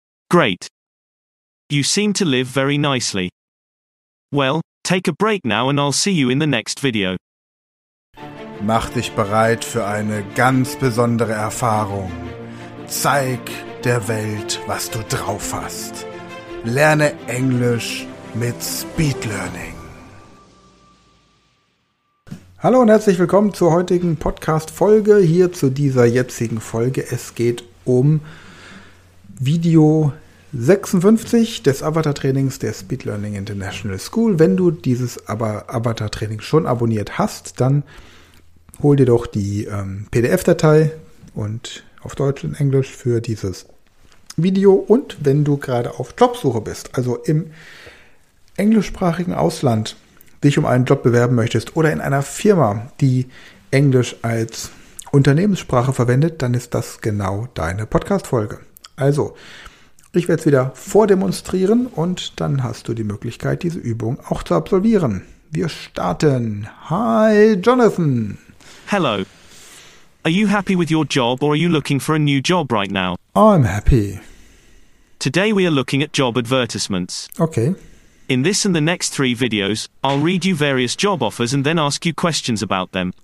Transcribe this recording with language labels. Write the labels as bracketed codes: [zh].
[en] Great. You seem to live very nicely. Well, take a break now and I'll see you in the next video. [de] Mach dich bereit für eine ganz besondere Erfahrung. Zeig der Welt, was du drauf hast. Lerne Englisch mit Speed Learning. Hallo und herzlich willkommen zur heutigen Podcast-Folge. Hier zu dieser jetzigen Folge. Es geht um Video 56 des Avatar-Trainings der Speed Learning International School. Wenn du dieses Avatar-Training schon abonniert hast, dann hol dir doch die PDF-Datei und auf Deutsch und Englisch für dieses Video. Und wenn du gerade auf Jobsuche bist, also im englischsprachigen Ausland dich um einen Job bewerben möchtest oder in einer Firma, die Englisch als Unternehmenssprache verwendet, dann ist das genau deine Podcast-Folge. Also, ich werde es wieder vordemonstrieren und dann hast du die Möglichkeit, diese Übung auch zu absolvieren. Wir starten. Hi, Jonathan. [en] Hello. Are you happy with your job or are you looking for a new job right now? I'm happy. Today we are looking at job advertisements. Okay. In this and the next 3 videos, I'll read you various job offers and then ask you questions about them.